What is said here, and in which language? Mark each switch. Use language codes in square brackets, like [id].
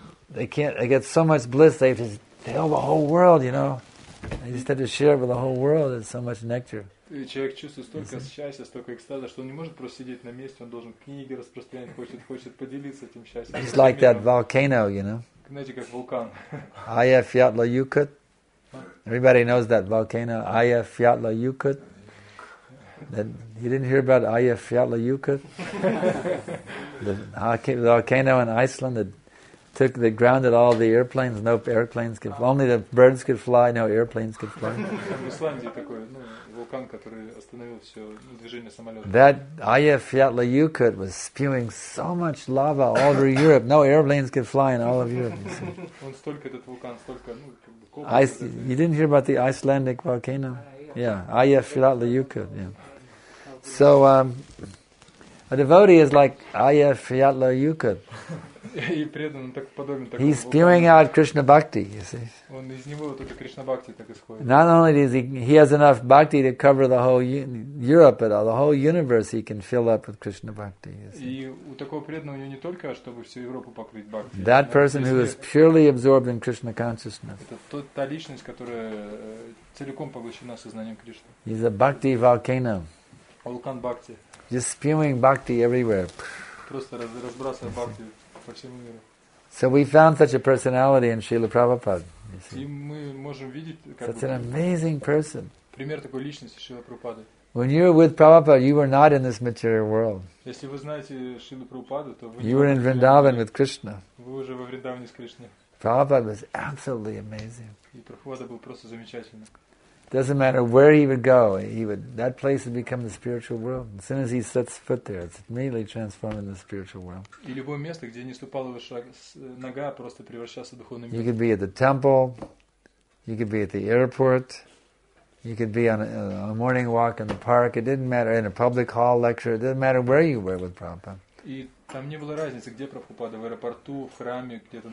[en] They get so much bliss. They have to tell the whole world. You know, they just have to share with the whole world. There's so much nectar. [ru] И человек чувствует столько счастья, столько экстаза, что он не может просто сидеть на месте, он должен книги распространять, хочет поделиться этим счастьем. [en] He's like that volcano, you know. [ru] Знаете, как вулкан. [en] Ayafyatlayukut. Everybody knows that volcano, Ayafyatlayukut. You didn't hear about Ayafyatlayukut? The volcano in Iceland that took the ground at all the airplanes, no airplanes could fly. Only the birds could fly, no airplanes could fly. [ru] В Исландии такой, ну, вулкан, который остановил все движение самолета. [en] That Ayafyatlayukut was spewing so much lava all over Europe, no airplanes could fly in all of Europe. [ru] Он столько этот вулкан, столько, ну, [en] you didn't hear about the Icelandic volcano? Yeah, Ayafjallajökull. Yeah. So a devotee is like Ayafjallajökull. [ru] И преданный так подобен такому. [en] He's spewing out Krishna bhakti, you see. [ru] Он из него вот эта Кришна бхакти так исходит. [en] Not only does he has enough bhakti to cover the whole Europe, but the whole universe he can fill up with Krishna bhakti. [ru] И у такого преданного у него не только чтобы всю Европу покрыть бхакти. [en] That person who is purely absorbed in Krishna consciousness. [ru] Это та личность, которая целиком поглощена сознанием Кришны. [en] He's a bhakti volcano. [ru] Вулкан бхакти. [en] Just spewing bhakti everywhere. [ru] Просто разбрасывая бхакти. [en] So we found such a personality in Srila Prabhupada. [ru] И мы можем видеть, [en] such an amazing person. [ru] Пример такой личности Шрила Прабхупады. [en] When you were with Prabhupada, you were not in this material world. [ru] Если вы знаете Шрилу Прабхупаду, то вы [en] You were in Vrindavan with Krishna. [ru] Вы уже во Вриндаване с Кришной. [en] Prabhupada was absolutely amazing. [ru] И Прабхупада был просто замечательный. [en] Doesn't matter where he would go, that place would become the spiritual world. As soon as he sets foot there, it's immediately transformed into the spiritual world. [ru] И любое место, где не ступала его шаг, нога просто превращался в духовный мир. [en] You could be at the temple, you could be at the airport, you could be on a morning walk in the park. It didn't matter in a public hall lecture. It didn't matter where you were with Prabhupada. [ru] И там не было разницы, где Прабхупада, в аэропорту, в храме, где-то.